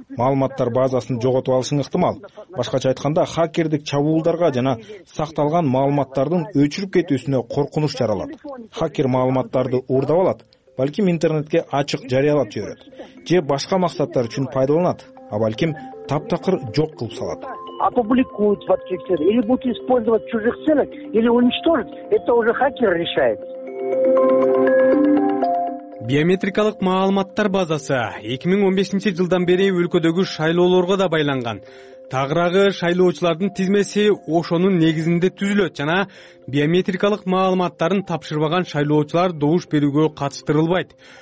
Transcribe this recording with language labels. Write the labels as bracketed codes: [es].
[ky] Маалыматтар базасын жоготуп алышың ыктымал. Башкача айтканда, хакердик чабуулдарга жана сакталган маалыматтардын өчүрүп кетүүсүнө коркунуч жаралат. Хакер маалыматтарды уурдап алат, балким интернетке ачык жарыялап жиберет же башка максаттар үчүн пайдаланат, а балким таптакыр жок кылып салат. [ru] Опубликуют в отчетах или будут использовать в чужих целях или уничтожат, это уже хакер решает. [ky] Биометрикалык маалыматтар базасы 2015 жылдан бери өлкөдөгү шайлоолорго да байланган. Тагырагы шайлоочулардын тизмеси ошонун негизинде түзүлөт жана биометрикалык маалыматтарын тапшырбаган шайлоочулар добуш берүүгө катыштырылбайт.